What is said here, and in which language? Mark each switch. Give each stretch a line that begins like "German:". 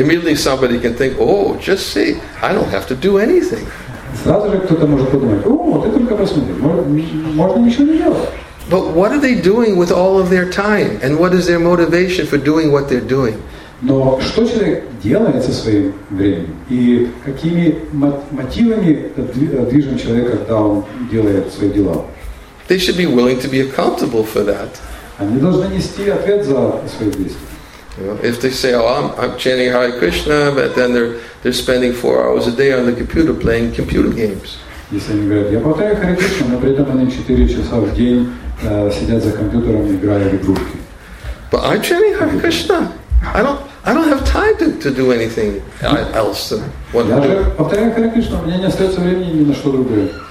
English: Immediately somebody can think, oh, just see, I don't have to do anything.
Russian: Сразу же кто-то может подумать, о, ты только посмотри, можно ничего не делать.
English: But what are they doing with all of their time? And what is their motivation for doing what they're doing?
Russian: Но что человек делает со своим временем? И какими мотивами движим человек, когда он делает свои дела?
English: They should be willing to be accountable for that.
Russian: Они должны нести ответ за свои действия.
English: If they say, oh, I'm chanting Hare Krishna, but then they're spending 4 hours a day on the computer playing computer games.
Russian: Если они говорят, я повторяю Харе Кришну, но при этом они 4 часа в день сидят за компьютером, играя в игрушки.
English: But I'm chanting Hare Krishna. I don't have time to do anything else than what
Russian: я же повторяю Харе Кришну, у меня не остается времени ни на что другое.